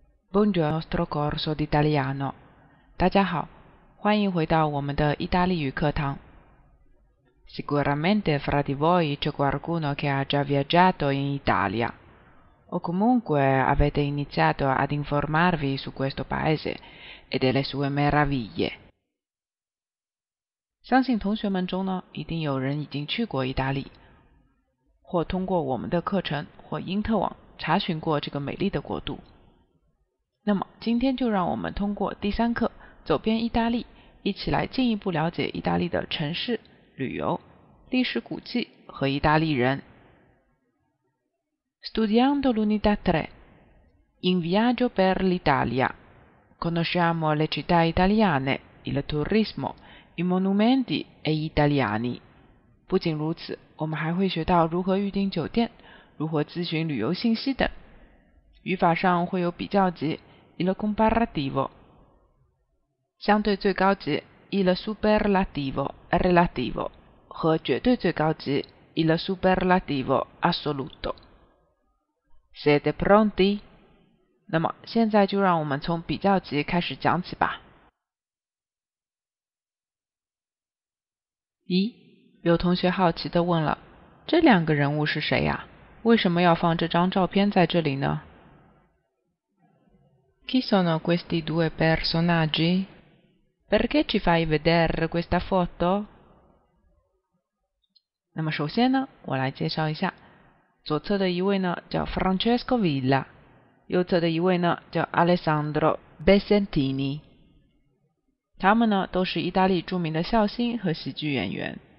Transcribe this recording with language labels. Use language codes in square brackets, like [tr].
[it] Buongiorno, nostro corso d'italiano. [zh] 大家好，欢迎回到我们的意大利语课堂。 [it] Sicuramente fra di voi c'è qualcuno che ha già viaggiato in Italia, o comunque avete iniziato ad informarvi su questo paese e delle sue meraviglie. [zh] 相信同学们中呢，一定有人已经去过意大利，或通过我们的课程或因特网查询过这个美丽的国度。那么今天就让我们通过第三课走遍意大利，一起来进一步了解意大利的城市、旅游、历史古迹和意大利人。 [it] Studiando l'unità 3, in viaggio per l'Italia, conosciamo le città italiane, il turismo, i monumenti e gli italiani. [zh] 不仅如此，我们还会学到如何预订酒店，如何咨询旅游信息等。语法上会有比较级 il comparativo, 相对最高级 il superlativo, relativo, 和绝对最高级 il superlativo, assoluto. [it] Siete pronti? [zh] 那么现在就让我们从比较级开始讲起吧。咦，有同学好奇地问了，这两个人物是谁呀？为什么要放这张照片在这里呢？ [it] Chi sono questi due personaggi? Perché ci fai vedere questa foto? [zh] 那么首先呢，我来介绍一下。左侧的一位呢叫 Francesco Villa， 右侧的一位呢叫 Alessandro Bessentini。他们呢都是意大利著名的笑星和喜剧演员。